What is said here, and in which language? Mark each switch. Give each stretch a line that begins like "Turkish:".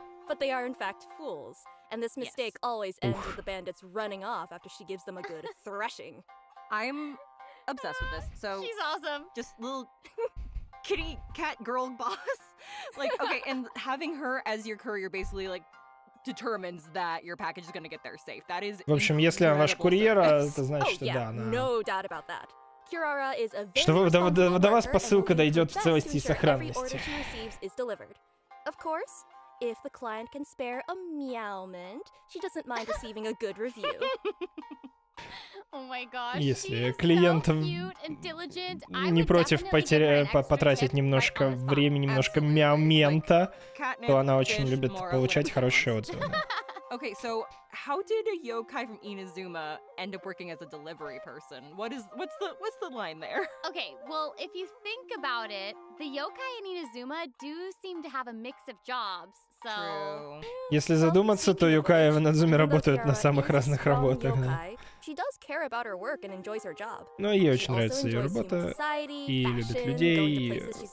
English: But they are in fact fools, and this mistake always ends with the bandits running off after she gives them a good thrashing. I'm obsessed with this. So she's awesome. Just little kitty cat girl boss. Like, okay, and having her as your courier basically like determines that your package is gonna get there safe. That is.
Russian: В общем, если она ваш курьер, это значит, что да, она.
English: No doubt about that. Kirara is a very.
Russian: Что до вас посылка дойдет в целости и сохранности.
English: Of course. If the client can spare a meowment, she doesn't mind receiving a good review. Oh my gosh.
Russian: Если клиент не против потратить немножко времени, немножко мяумента, то она очень любит получать хорошие отзывы.
English: Okay, so how did a yokai from Inazuma end up working as a delivery person? What's the line there? Okay, well, if you think about it, the yokai in Inazuma do seem to have a mix of jobs. So,
Russian: если задуматься, то юкаи в Надзуме работают на самых разных работах.
English: She does care about her work and enjoys her job.
Russian: Но ей очень нравится ее работа и любит людей.